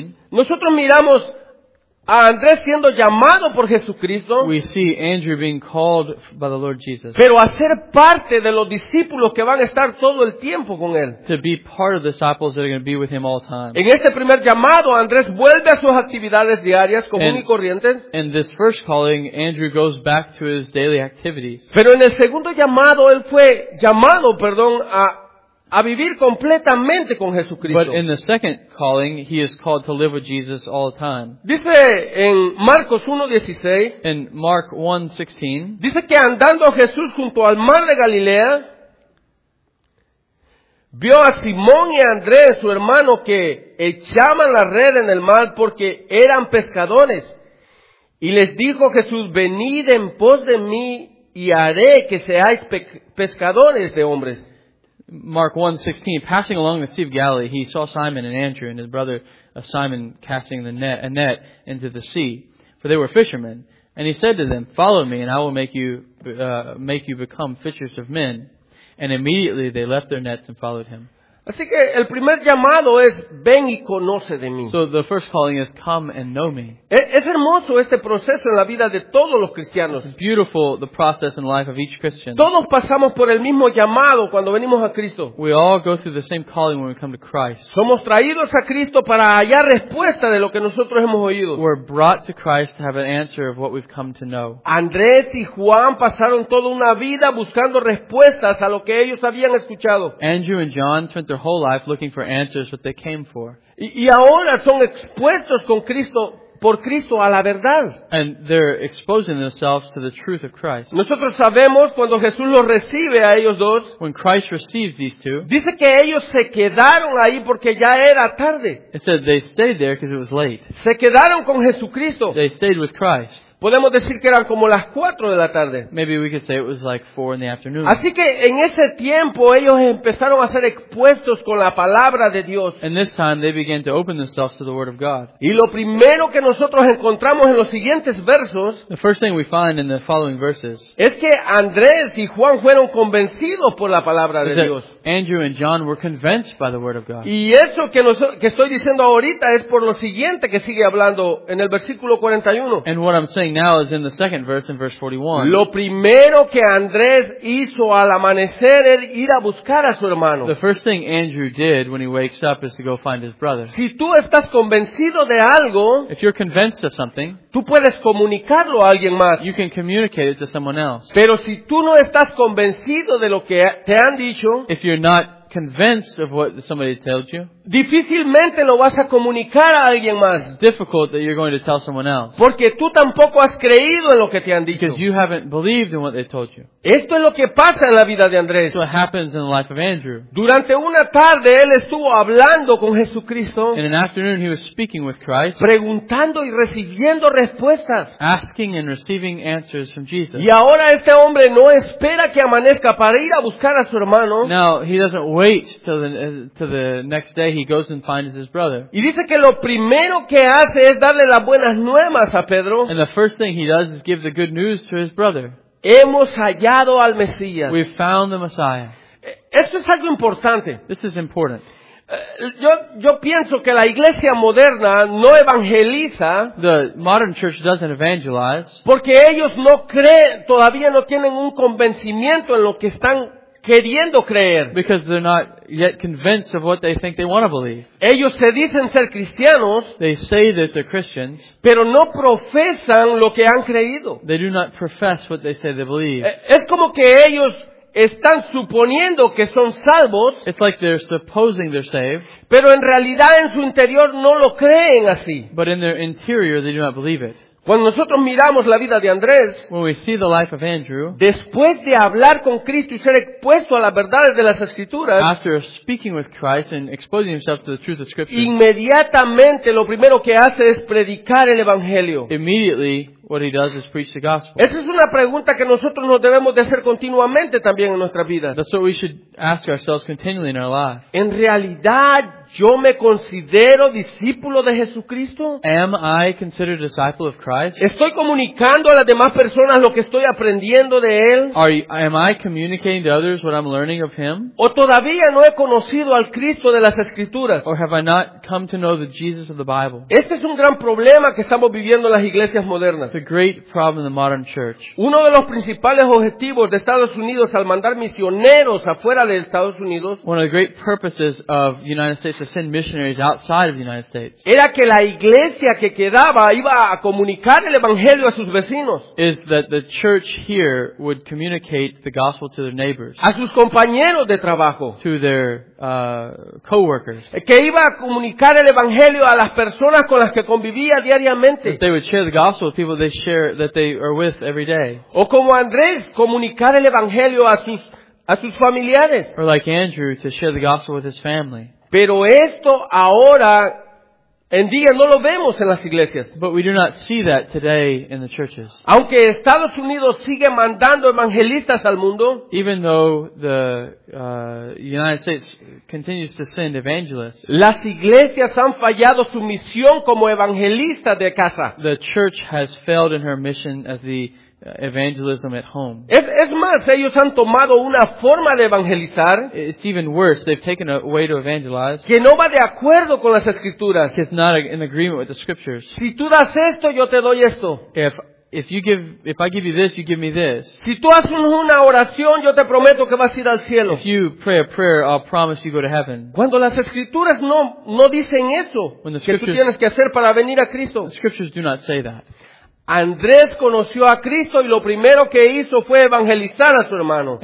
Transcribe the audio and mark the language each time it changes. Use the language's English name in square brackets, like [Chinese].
[Spanish] Nosotros miramos a Andrés siendo llamado por Jesucristo. [English] We see Andrew being called by the Lord Jesus. [Spanish] Pero a ser parte de los discípulos que van a estar todo el tiempo con él. [English] To be part of the disciples that are going to be with him all time. [Spanish] En este primer llamado, Andrés vuelve a sus actividades diarias común y corrientes. [English] In this first calling, Andrew goes back to his daily activities. [Spanish] Pero en el segundo llamado, él fue llamado, perdón, a vivir completamente con Jesucristo. [English] But in the second calling, he is called to live with Jesus all the time. [Spanish] Dice en Marcos 1:16. [English] In Mark 1:16. [Spanish] Dice que andando Jesús junto al mar de Galilea, vio a Simón y a Andrés, su hermano, que echaban la red en el mar porque eran pescadores. Y les dijo Jesús, venid en pos de mí y haré que seáis pescadores de hombres. [English] Mark 1:16, passing along the Sea of Galilee, he saw Simon and Andrew and his brother Simon casting a net into the sea, for they were fishermen. And he said to them, follow me and I will make you become fishers of men. And immediately they left their nets and followed him. [Spanish] Así que el primer llamado es, ven y conoce de mí. [English] So the first calling is, come and know me. [Spanish] Es hermoso este proceso en la vida de todos los cristianos. [English] It's beautiful, the process in life of each Christian. [Spanish] Todos pasamos por el mismo llamado cuando venimos a Cristo. [English] We all go through the same calling when we come to Christ. [Spanish] Somos traídos a Cristo para hallar respuesta de lo que nosotros hemos oído. [English] We're brought to Christ to have an answer of what we've come to know. [Spanish] Andrés y Juan pasaron toda una vida buscando respuestas a lo que ellos habían escuchado. [English] Andrew and John spent their whole life looking for answers that they came for. [Spanish] Y ahora son expuestos con Cristo, por Cristo a la verdad. [English] And they're exposing themselves to the truth of Christ. [Spanish] Nosotros sabemos cuando Jesús los recibe a ellos dos. [English] When Christ receives these two. [Spanish] Dice que ellos se quedaron ahí porque ya era tarde. [English] It said they stayed there because it was late. [Spanish] Se quedaron con Jesucristo. [English] They stayed with Christ. [Spanish] Podemos decir que eran como las 4 de la tarde. [English] Maybe we could say it was like 4 in the afternoon. [Spanish] Así que en ese tiempo ellos empezaron a ser expuestos con la palabra de Dios. [English] And this time they began to open themselves to the word of God. [Spanish] Y lo primero que nosotros encontramos en los siguientes versos, [English] the first thing we find in the following verses, [Spanish] es que Andrés y Juan fueron convencidos por la palabra de Dios. [English] Andrew and John were convinced by the word of God. [Spanish] Y eso que estoy diciendo ahorita es por lo siguiente que sigue hablando en el versículo 41. [English] And what I'm saying now is in the second verse, in verse 41. [Spanish] Lo primero que Andrés hizo al amanecer es ir a buscar a su hermano. [English] The first thing Andrew did when he wakes up is to go find his brother. [Spanish] Si tú estás convencido de algo, [English] if you're convinced of something, [Spanish] tú puedes comunicarlo a alguien más. [English] You can communicate it to someone else. [Spanish] Pero si tú no estás convencido de lo que te han dicho, [English] if you're not convinced of what somebody told you, [Spanish] difícilmente lo vas a comunicar a alguien más. [English] It's difficult that you're going to tell someone else. [Spanish] Porque tú tampoco has creído en lo que te han dicho. [English] Because you haven't believed in what they told you. [Spanish] Esto es lo que pasa en la vida de Andrés. [English] What happens in the life of Andrew. [Spanish] Durante una tarde él estuvo hablando con Jesucristo. [English] In an afternoon he was speaking with Christ. [Spanish] Preguntando y recibiendo respuestas. [English] Asking and receiving answers from Jesus. [Spanish] Y ahora este hombre no espera que amanezca para ir a buscar a su hermano. [English] Now he doesn't wait till the next day. He goes and finds his brother. [Spanish] Y dice que lo primero que hace es darle las buenas nuevas a Pedro. [English] And the first thing he does is give the good news to his brother. [Spanish] Hemos hallado al Mesías. [English] We've found the Messiah. [Spanish] Esto es algo importante. [English] This is important. [Spanish] yo pienso que la iglesia moderna no evangeliza. [English] The modern church doesn't evangelize. [Spanish] Porque ellos no creen, todavía no tienen un convencimiento en lo que están queriendo creer. [English] Because they're not yet convinced of what they think they want to believe. [Spanish] Ellos se dicen ser cristianos. [English] They say that they're Christians. [Spanish] Pero no profesan lo que han creído. [English] They do not profess what they say they believe. [Spanish] Es como que ellos están suponiendo que son salvos. [English] It's like they're supposing they're saved. [Spanish] Pero en realidad en su interior no lo creen así. [English] But in their interior they do not believe it. [Spanish] Cuando nosotros miramos la vida de Andrés, [English] when we see the life of Andrew, [Spanish] después de hablar con Cristo y ser expuesto a las verdades de las Escrituras, [English] after speaking with Christ and exposing himself to the truth of Scripture, [Spanish] inmediatamente lo primero que hace es predicar el Evangelio. [English] Immediately, what he does is preach the gospel. [Spanish] Esa es una pregunta que nosotros nos debemos de hacer continuamente también en nuestras vidas. [English] That's what we should ask ourselves continually in our lives. [Spanish] En realidad, ¿yo me considero discípulo de Jesucristo? [English] Am I considered a disciple of Christ? [Spanish] ¿Estoy comunicando a las demás personas lo que estoy aprendiendo de Él? [English] Am I communicating to others what I'm learning of Him? [Spanish] ¿O todavía no he conocido al Cristo de las Escrituras? [English] Or have I not come to know the Jesus of the Bible? [Spanish] Este es un gran problema que estamos viviendo en las iglesias modernas. [English] It's a great problem in the modern church. [Spanish] Uno de los principales objetivos de Estados Unidos al mandar misioneros afuera de Estados Unidos, [English] one of the great purposes of the United States to send missionaries outside of the United States, [Spanish] era que la iglesia que quedaba iba a comunicar el evangelio a sus vecinos, [English] is that the church here would communicate the gospel to their neighbors, [Spanish] a sus compañeros de trabajo, [English] to their co-workers, [Spanish] que iba a comunicar el evangelio a las personas con las que convivía diariamente, [English] that they would share the gospel with people they share, that they are with every day, [Spanish] o como Andrés, comunicar el evangelio a sus familiares, [English] or like Andrew, to share the gospel with his family. [Spanish] Pero esto ahora en día no lo vemos en las iglesias. [English] But we do not see that today in the churches. [Spanish] Aunque Estados Unidos sigue mandando evangelistas al mundo, [English] even though the United States continues to send evangelists, [Spanish] las iglesias han fallado su misión como evangelistas de casa. [English] The church has failed in her mission as the evangelism at home. [Spanish] Es más, ellos han tomado una forma de evangelizar. [English] It's even worse. They've taken a way to evangelize. [Spanish] Que no va de acuerdo con las Escrituras. [English] It's not in agreement with the Scriptures. [Spanish] Si tú das esto, yo te doy esto. [English] If I give you this, you give me this. [Spanish] Si tú haces una oración, yo te prometo que vas a ir al cielo. [English] If you pray a prayer, I'll promise you go to heaven. [Spanish] Cuando las Escrituras no dicen eso, [English] when the Scriptures, [Spanish] que tú tienes que hacer para venir a Cristo. [English] The Scriptures do not say that. [Spanish] Andrés conoció a Cristo y lo primero que hizo fue evangelizar a su hermano.